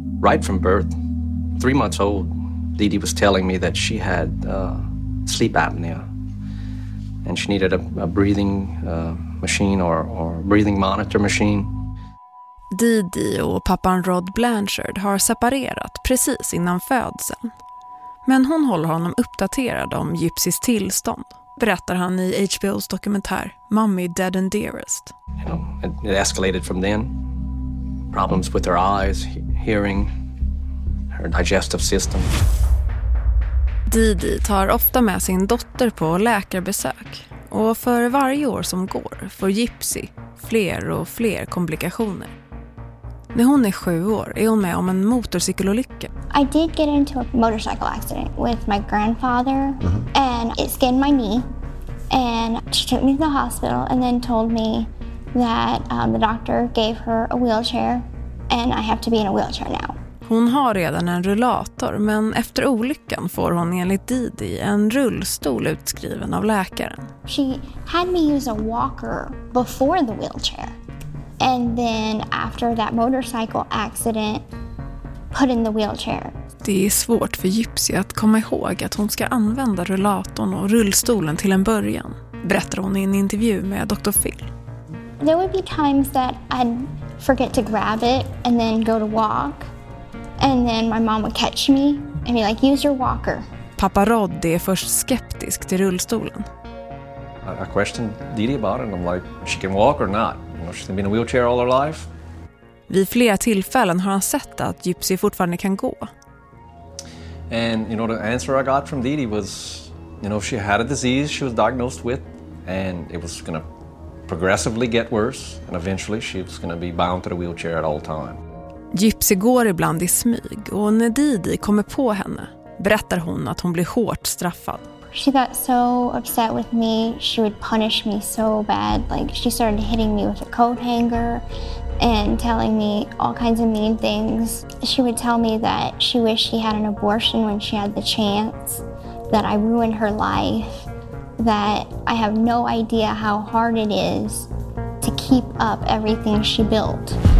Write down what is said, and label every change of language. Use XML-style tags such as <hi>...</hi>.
<en>Right from birth, 3 months old, Didi was telling me that she had sleep apnea and she needed a breathing machine or breathing monitor machine.</en> <sv>Didi och pappan Rod Blanchard har separerat precis innan födseln. Men hon håller honom uppdaterad om Gypsys tillstånd, berättar han i HBO:s dokumentär Mommy Dead and Dearest.</sv> <en>You know, it escalated from then. Problems with her eyes, hearing, her digestive system.</en> <sv>Didi tar ofta med sin dotter på läkarbesök och för varje år som går får Gypsy fler och fler komplikationer. När hon är 7 år är hon med om en motorcykelolycka.</sv> <en>I did get into a motorcycle accident with my grandfather and it skinned my knee and she took me to the hospital and then told me that the doctor gave her a wheelchair and I have to be in a wheelchair now.</en> <sv>Hon har redan en rullator, men efter olyckan får hon enligt Didi en rullstol utskriven av läkaren.</sv> <en>She had me use a walker before the wheelchair. And then after that motorcycle accident, put in the wheelchair.</en> <sv>Det är svårt för Gypsy att komma ihåg att hon ska använda rullatorn och rullstolen till en början, berättar hon i en intervju med Dr. Phil.</sv> <en>There would be times that I'd forget to grab it and then go to walk. And then my mom would catch me and be like, use your walker.</en> <sv>Pappa Rod är först skeptisk till rullstolen.</sv> <en>I questioned Didi about it and I'm like, she can walk or not? She's been in a wheelchair all her life.</en> <sv>Vid flera tillfällen har han sett att Gypsy fortfarande kan gå.</sv> <en>And you know, the answer I got from Didi was, you know, she had a disease she was diagnosed with and it was going to progressively get worse and eventually she was going to be bound to the wheelchair at all time.</en> <sv>Gypsy går ibland i smyg och när Didi kommer på henne berättar hon att hon blir hårt straffad.</sv> <en>She got so upset with me. She would punish me so bad. Like she started hitting me with a coat hanger and telling me all kinds of mean things. She would tell me that she wished she had an abortion when she had the chance, that I ruined her life, that I have no idea how hard it is to keep up everything she built.</en>